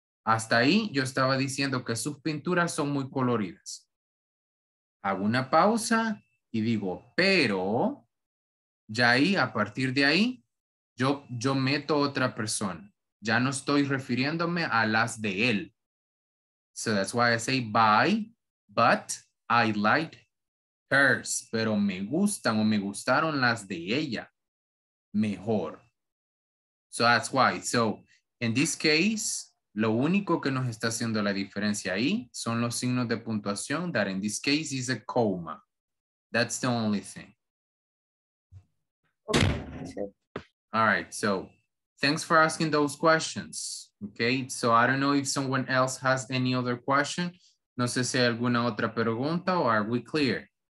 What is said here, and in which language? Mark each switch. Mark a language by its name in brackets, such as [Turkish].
[Spanish] Hasta ahí yo estaba diciendo que sus pinturas son muy coloridas. Hago una pausa y digo, pero ya ahí, a partir de ahí, yo meto otra persona. Ya no estoy refiriéndome a las de él. [English] So that's why I say by, but I liked hers. [Spanish] Pero me gustan o me gustaron las de ella mejor. [English] So that's why. So in this case, [Spanish] lo único que nos está haciendo la diferencia ahí son los signos de puntuación, [English] that in this case is a coma. That's the only thing. Okay. All right, so thanks for asking those questions. Okay, so I don't know if someone else has any other question. [Spanish] No sé si hay alguna otra pregunta, [English] or are we clear?